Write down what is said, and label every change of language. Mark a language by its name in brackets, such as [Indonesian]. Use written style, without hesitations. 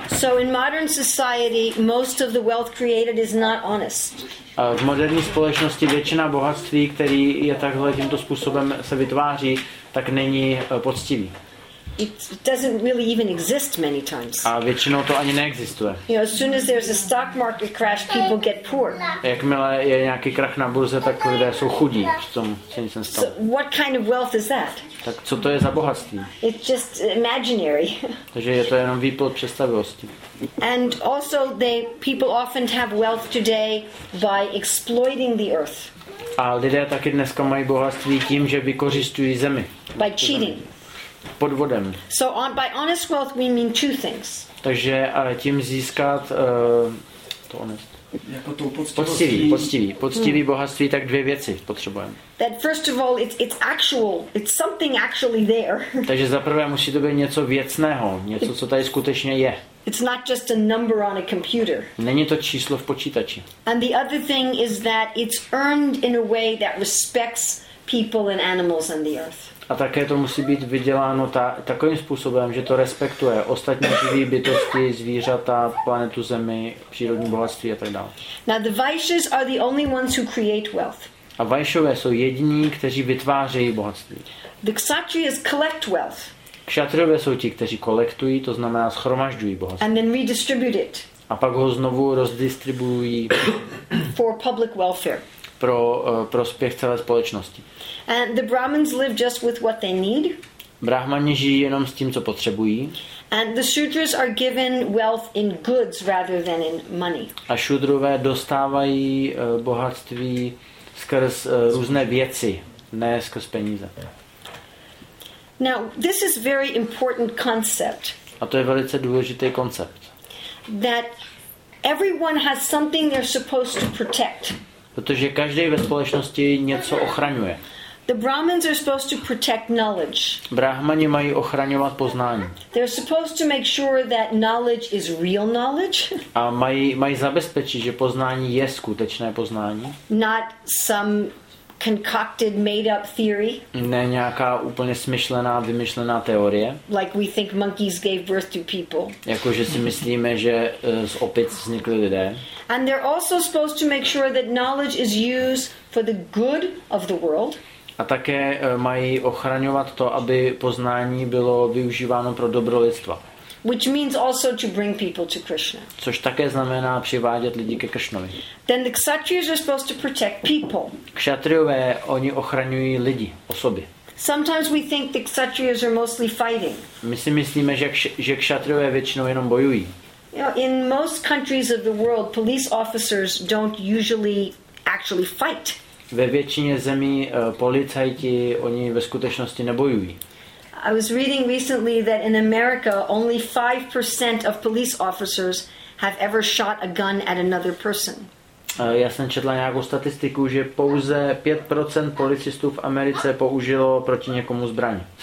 [English] So in modern society most of the wealth created is not honest. [Czech] V moderní společnosti většina bohatství, který je takhle tímto způsobem se vytváří, tak není poctivý. [English] It doesn't really even exist many times. [Czech] A většinou to ani neexistuje. [English] You know, as soon as there's a stock market crash, people get poor. [Czech] Jakmile je nějaký krach na burze, tak lidé jsou chudí. Přitom se nic nestalo. [English] So what kind of wealth is that? [Czech] Tak co to je za bohatství? [English] It's just imaginary. [Czech] Takže je to jenom výplod představivosti. [English] And also people often have wealth today by exploiting the earth. [Czech] A lidé taky dneska mají bohatství tím, že vykořisťují zemi. [English] By cheating. [Czech] Podvodem. [English] So on, by honest wealth we mean two things. [Czech] Takže tím získat to honest. Jako to poctivý bohatství, tak dvě věci potřebujeme. [English] That first of all it's actual, it's something actually there. [Czech] Takže za prvé musí to být něco věcného, něco co tady skutečně je. [English] It's not just a number on a computer. [Czech] Není to číslo v počítači. [English] And the other thing is that it's earned in a way that respects people and animals and the earth. [Czech] A také to musí být vyděláno takovým způsobem, že to respektuje ostatní živé bytosti, zvířata, planetu Zemi, přírodní bohatství a tak dále. [English] Now the Vaishyas are the only ones who create wealth. [Czech] A Vaishyové jsou jediní, kteří vytvářejí bohatství. [English] The Kshatriyas collect wealth. [Czech] Kshatriyové jsou ti, kteří kolektují, to znamená shromažďují bohatství. [English] And then redistribute it. [Czech] A pak ho znovu rozdistribuují. [English] For public welfare. [Czech] Pro prospěch celé společnosti. [English] And the Brahmins live just with what they need. [Czech] Brahmani žijí jenom s tím, co potřebují. [English] And the Shudras are given wealth in goods rather than in money. [Czech] A Shudrové dostávají bohatství skrz různé věci, ne skrz peníze. [English] Now, this is very important concept. [Czech] A to je velice důležitý koncept. [English] That everyone has something they're supposed to protect. [Czech] Protože každý ve společnosti něco ochraňuje. [English] The Brahmins are supposed to protect knowledge. [Czech] Brahmani mají ochraňovat poznání. [English] They're supposed to make sure that knowledge is real knowledge. [Czech] A mají zabezpečit, že poznání je skutečné poznání. [English] Not some concocted made up theory. [Czech] Ne nějaká úplně smyšlená, vymyšlená teorie. [English] Like we think monkeys gave birth to people. [Czech] Jakože si myslíme, že z opic vznikly lidé. [English] And they're also supposed to make sure that knowledge is used for the good of the world. [Czech] A také mají ochraňovat to, aby poznání bylo využíváno pro dobro lidstva. [English] Which means also to bring people to Krishna. [Czech] Což také znamená přivádět lidi ke Krishnovi. [English] Then the Kshatriyas are supposed to protect people. [Czech] Kshatriyové, oni ochraňují lidi, osoby. [English] Sometimes we think the Kshatriyas are mostly fighting. [Czech] My si myslíme, že Kshatriyové většinou jenom bojují. [English] You know, in most countries of the world, police officers don't usually actually fight. [Czech] Ve většině zemí policajti oni ve skutečnosti nebojují. [English] I was reading recently that in America only 5% of police officers have ever shot a gun at another person. [Czech] Já jsem četla nějakou statistiku, že pouze 5% policistů v Americe použilo proti někomu zbraň.